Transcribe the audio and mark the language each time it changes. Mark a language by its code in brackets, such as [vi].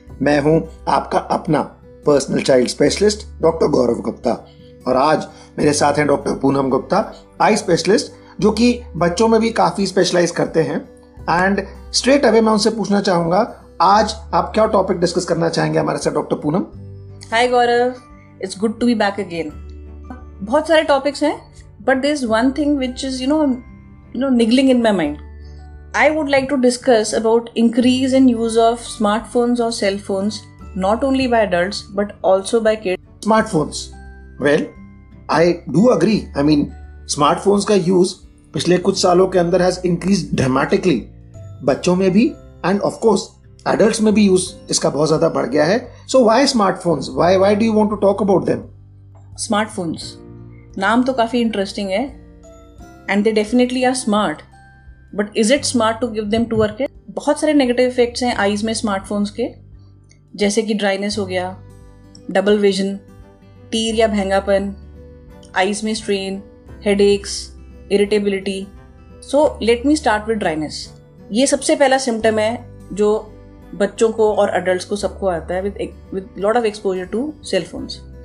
[hi] मैं हूं आपका अपना पर्सनल चाइल्ड स्पेशलिस्ट डॉक्टर गौरव गुप्ता और आज मेरे साथ हैं doctor Poonam Gupta, eye specialist जो कि बच्चों में भी काफ़ी स्पेशलाइज करते हैं। [en] and straight away [hi] मैं उनसे पूछना चाहूँगा, आज आप क्या टॉपिक डिस्कस करना चाहेंगे हमारे साथ doctor Poonam? [en] Hi Gaurav, it's good to be back again. [hi] बहुत सारे टॉपिक्स हैं [en] But there is one thing which is you know niggling in my mind. I would like to discuss about increase in use of smartphones or cell phones, not only by adults but also by kids. Smartphones. Well, I do agree. I mean, [hi] smartphones ka use pichle kuch saalon ke andar [en] has increased dramatically. [hi] Bachchon mein bhi [en] and of course [hi] adults mein bhi use iska bahut zyada badh gaya hai. [en] So why smartphones? Why do you want to talk about them? Smartphones. [hi] Naam to kafi interesting hai [en] and they definitely are smart. But is it smart to give them to our kids? [hi] बहुत सारे negative effects हैं eyes में smartphones के, जैसे कि dryness हो गया, double vision, टीर या भेंगापन, आईज में strain, headaches, irritability. [en] So let me start with dryness. [hi] ये सबसे पहला सिम्टम है जो बच्चों को और अडल्ट को सबको आता है [en] With lot of exposure to cellphones.